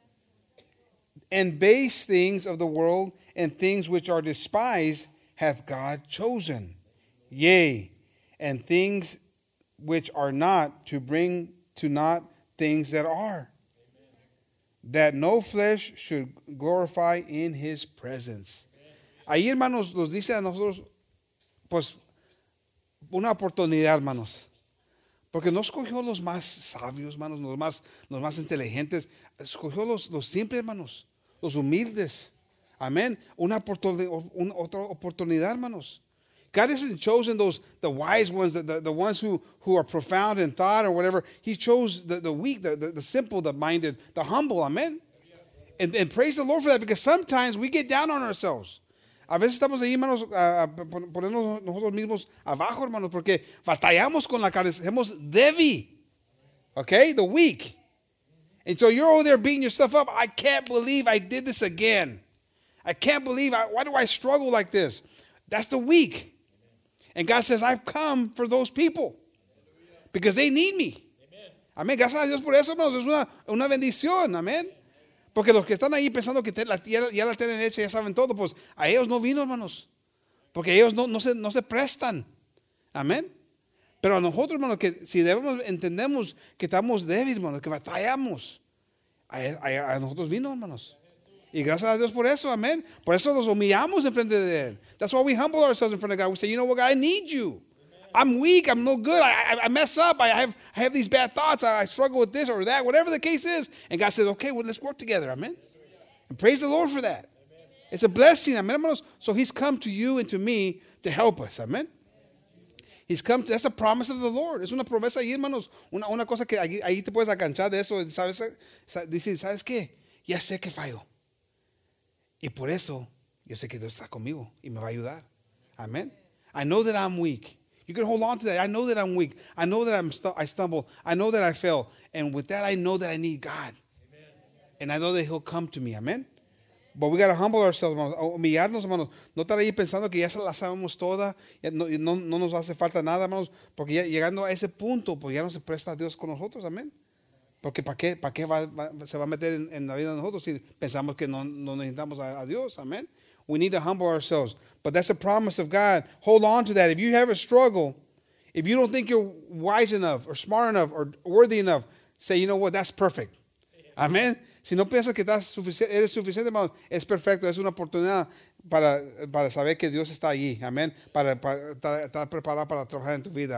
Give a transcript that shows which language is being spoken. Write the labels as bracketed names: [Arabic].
[English] Amen. And base things of the world and things which are despised hath God chosen. Yea, and things which are not to bring to naught things that are. Amen. That no flesh should glorify in his presence. Amen. [Spanish] Ahí, hermanos, nos dice a nosotros, pues, una oportunidad, hermanos. Porque no escogió los más sabios, hermanos, los más inteligentes. Escogió los simples, hermanos, los humildes. Amén. Otra oportunidad, hermanos. [English] God hasn't chosen the wise ones, the ones who are profound in thought or whatever. He chose the weak, the simple, the minded, the humble. Amén. And praise the Lord for that, because sometimes we get down on ourselves. [Spanish] A veces estamos ahí, hermanos, poniendo nosotros mismos abajo, hermanos, porque batallamos con la carne, somos débil, okay, [English] the weak. And so you're over there beating yourself up. I can't believe I did this again. I can't believe, why do I struggle like this? That's the weak. And God says, I've come for those people because they need me. Amen. [Spanish] Gracias a Dios por eso, hermanos, es una bendición, amén. Porque los que están ahí pensando que ya la tienen hecha, ya saben todo, pues a ellos no vino, hermanos. Porque ellos no se prestan. Amén. Pero a nosotros, hermanos, que si debemos, entendemos que estamos débiles, hermanos, que batallamos. A nosotros vino, hermanos. Y gracias a Dios por eso, amén. Por eso nos humillamos en frente de Él. [English] That's why we humble ourselves in front of God. We say, you know what, God, I need you. I'm weak, I'm no good, I mess up, I have these bad thoughts, I struggle with this or that, whatever the case is. And God says, okay, well, let's work together, amen? And praise the Lord for that. Amen. It's a blessing, amen, hermanos? So he's come to you and to me to help us, amen? He's come, that's a promise of the Lord. [Spanish] Es una promesa ahí, hermanos. Una cosa que ahí te puedes aganchar de eso. Dices, ¿sabes qué? Ya sé que fallo. Y por eso, yo sé que Dios está conmigo y me va a ayudar, amen? [English] I know that I'm weak. You can hold on to that. I know that I'm weak. I know that I stumble. I know that I fail. And with that, I know that I need God. Amen. And I know that He'll come to me. Amen. But we got to humble ourselves, hermanos. [Spanish] Humillarnos, hermanos. No estar ahí pensando que ya se la sabemos toda. No nos hace falta nada, hermanos. Porque ya, llegando a ese punto, pues ya no se presta a Dios con nosotros. Amen. Porque ¿para qué se va a meter en la vida de nosotros si pensamos que no necesitamos a Dios? [English] Amen. We need to humble ourselves. But that's a promise of God. Hold on to that. If you have a struggle, if you don't think you're wise enough or smart enough or worthy enough, say, you know what? That's perfect. Amen. [Spanish] Si no piensas que eres suficiente, es perfecto. Es una oportunidad para saber que Dios está allí. Amen. Para estar preparado para trabajar en tu vida.